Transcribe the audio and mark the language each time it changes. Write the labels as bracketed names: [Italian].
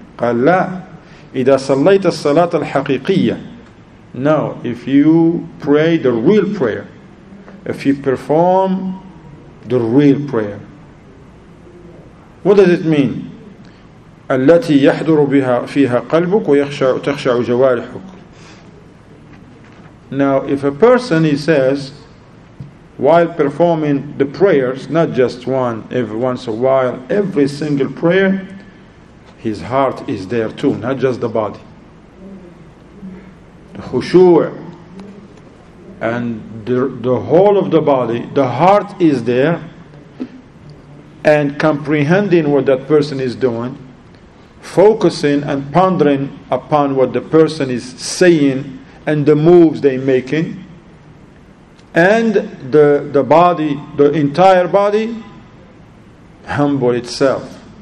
[Arabic] قال لا إذا صليت الصلاة الحقيقية. [English] Now, if you pray the real prayer, if you perform the real prayer, what does it mean? [Arabic] التي يحضر بها فيها قلبك ويخشع جوارحك. [English] Now, if a person, he says, while performing the prayers, not just one, every once a while, every single prayer, his heart is there too, not just the body. The khushu' and the whole of the body, the heart is there and comprehending what that person is doing, focusing and pondering upon what the person is saying and the moves they're making, and the body, the entire body, humble itself.